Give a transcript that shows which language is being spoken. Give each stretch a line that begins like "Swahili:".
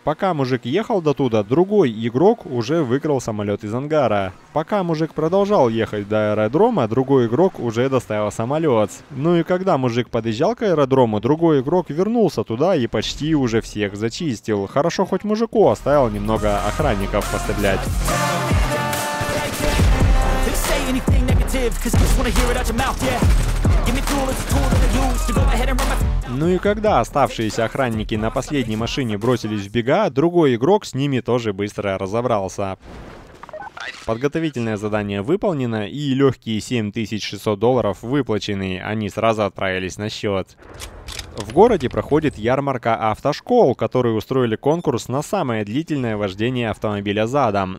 Russian: Пока мужик ехал до туда, другой игрок уже выиграл самолет из ангара. Пока мужик продолжал ехать до аэродрома, другой игрок уже доставил самолет. Ну и когда мужик подъезжал к аэродрому, другой игрок вернулся туда и почти уже всех зачистил. Хорошо, хоть мужику оставил немного охранников постоянно.
English: They say anything negative, cause you just wanna hear it out your mouth, yeah. Give me tool, it's a tool that I use to go ahead and run my...
Russian: Ну и когда оставшиеся охранники на последней машине бросились в бега, другой игрок с ними тоже быстро разобрался. Подготовительное задание выполнено, и легкие $7600 выплачены, они сразу отправились на счет. В городе проходит ярмарка автошкол, которые устроили конкурс на самое длительное вождение автомобиля задом.